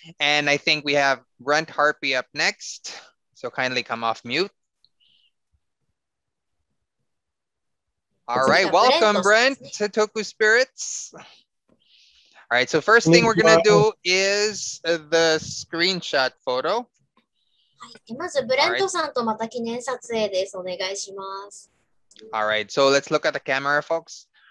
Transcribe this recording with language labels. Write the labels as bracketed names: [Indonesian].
[English] And I think we have Brent Harpy up next. So kindly come off mute. All right, welcome Brent to TokuSpirits. All right, so first thing we're going to do is the screenshot photo. [Japanese] はい、まずブレントさんとまた記念撮影です。お願いします。 [English] All right, so let's look at the camera, folks.